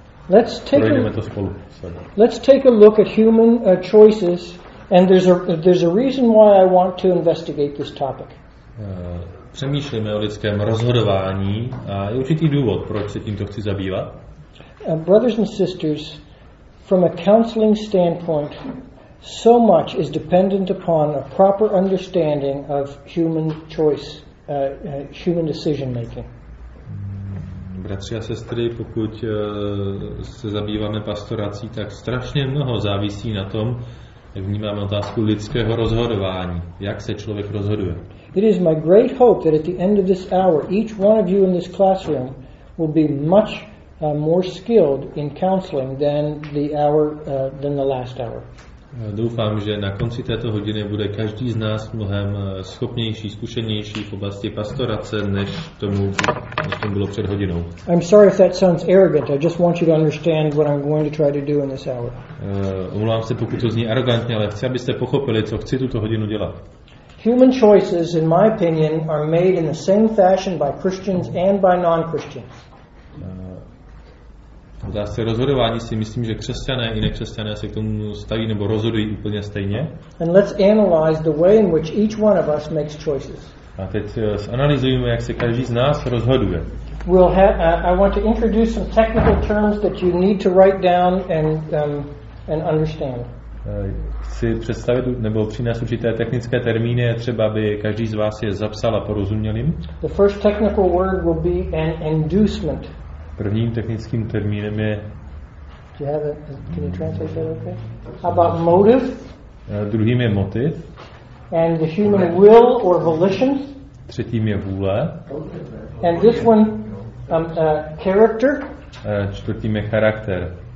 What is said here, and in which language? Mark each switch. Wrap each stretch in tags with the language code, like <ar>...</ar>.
<en>Let's take a look at human choices, and there's a reason why I want to investigate this topic.</en> <cs>Přemýšlíme o lidském rozhodování a je určitý důvod, proč se tímto chci zabývat.</cs> <en>Brothers and sisters, from a counseling standpoint, so much is dependent upon a proper understanding of human choice, human decision making.</en> <cs>Bratři a sestry, pokud se zabýváme pastorací, tak strašně mnoho závisí na tom, jak vnímáme otázku lidského rozhodování, jak se člověk rozhoduje.</cs> <en>It is my great hope that at the end of this hour each one of you in this classroom will be much more skilled in counseling than the hour than the last hour.</en> <cs>Doufám, že na konci této hodiny bude každý z nás mnohem schopnější, zkušenější v oblasti pastorace, než tomu bylo před hodinou.</cs> <en>I'm sorry if that sounds arrogant. I just want you to understand what I'm going to try to do in this hour.</en> <cs>Omlouvám se, pokud to zní arrogantně, ale chci, abyste pochopili, co chci tuto hodinu dělat.</cs> <en>Human choices, in my opinion, are made in the same fashion by Christians and by non-Christians.</en> <cs>V otázce rozhodování si myslím, že křesťané i nekřesťané se k tomu staví nebo rozhodují úplně stejně.</cs> <en>And let's analyze the way in which each one of us makes choices.</en> <cs>A teď zanalyzujeme, jak se každý z nás rozhoduje.</cs> <en>I want to introduce some technical terms that you need to write down and understand.</en> <cs>Chci představit nebo přinést určité technické termíny, třeba aby každý z vás je zapsal a porozuměl jim.</cs> <en>The first technical word will be an inducement.</en> <cs>Prvním technickým termínem je.</cs> <en>Do you have a, can you translate that okay? How about motive?</en> <cs>Druhým je motiv.</cs> <en>And the human will or volition.</en> <cs>Třetím je vůle.</cs> <en>And this one, character.</en> <cs>Čtvrtým je charakter.</cs>